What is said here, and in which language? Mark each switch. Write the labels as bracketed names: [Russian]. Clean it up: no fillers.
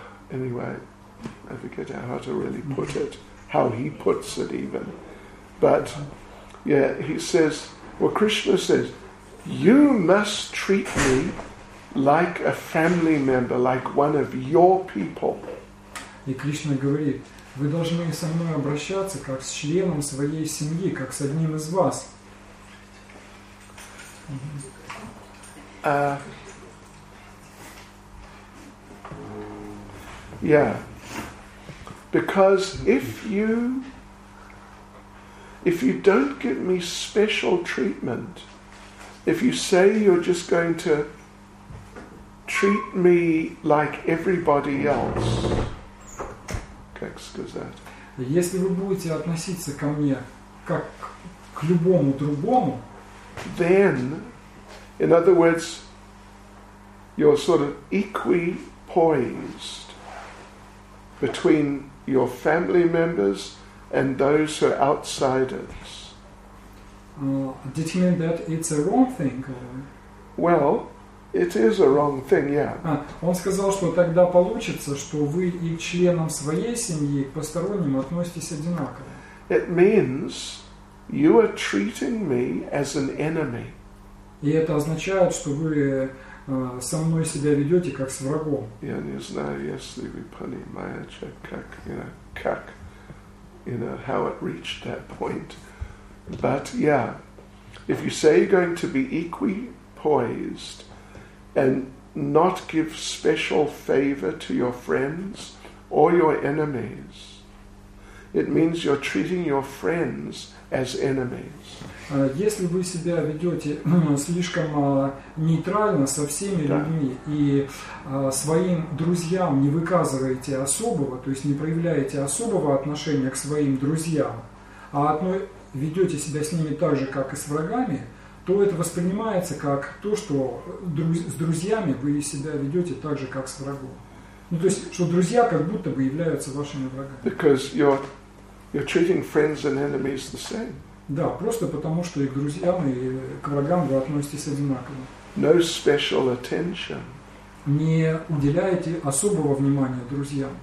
[English] Anyway, I forget how to really put it, how he puts it even. But, yeah, he says, well, Krishna says, you must treat me like a family member, like one of your people. [Russian] И Кришна говорит, вы должны со мной обращаться как с членом своей семьи, как с одним из вас. [English] Yeah, because if you don't give me special treatment, if you say you're just going to treat me like everybody else, [Russian] как сказать? Если вы будете относиться ко мне как к любому другому, [English] then, in other words, you're sort of equipoised between your family members and those who are outsiders. Did he mean that it's a wrong thing? Well, it is a wrong thing, yeah. [Russian] Он сказал, что тогда получится, что вы и к членам своей семьи, к посторонним относитесь одинаково. [English] It means you are treating me as an enemy. [Russian] И это означает, что вы со мной себя ведете как с врагом. Я не знаю, если вы понимаете, как, [English] how it reached that point. But yeah, if you say you're going to be equipoised and not give special favor to your friends or your enemies, it means you're treating your friends as enemies. [Russian] Если вы себя ведете слишком нейтрально со всеми людьми и своим друзьям не выказываете особого, то есть не проявляете особого отношения к своим друзьям, а ведете себя с ними так же, как и с врагами, то это воспринимается как то, что с друзьями вы себя ведете так же, как с врагом. Ну, то есть, что друзья как будто бы являются вашими врагами. [English] Because you're treating friends and enemies the same. [Russian] Да, просто потому, что и к друзьям, и к врагам вы относитесь одинаково. [English] No special attention. [Russian] Не уделяете особого внимания друзьям.